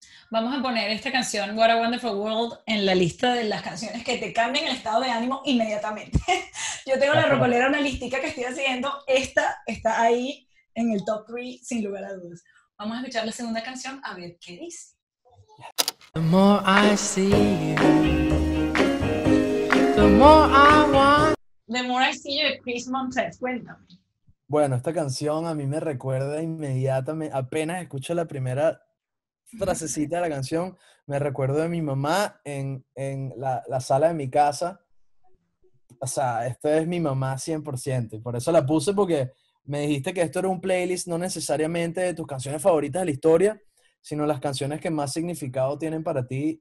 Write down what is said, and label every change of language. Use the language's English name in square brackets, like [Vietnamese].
[Spanish] Vamos a poner esta canción, What a Wonderful World, en la lista de las canciones que te cambian el estado de ánimo inmediatamente. Yo tengo la rocolera, una listica que estoy haciendo. Esta está ahí en el top 3, sin lugar a dudas. Vamos a escuchar la segunda canción, a ver qué dice. [English] The more I see you, the more I want. [Spanish] The more I see you, Chris Montez, cuéntame. Bueno, esta canción a mí me recuerda inmediatamente, apenas escucho la primera frasecita de la canción, me recuerdo de mi mamá en la sala de mi casa. O sea, esta es mi mamá 100%, y por eso la puse, porque me dijiste que esto era un playlist, no necesariamente de tus canciones favoritas de la historia, sino las canciones que más significado tienen para ti.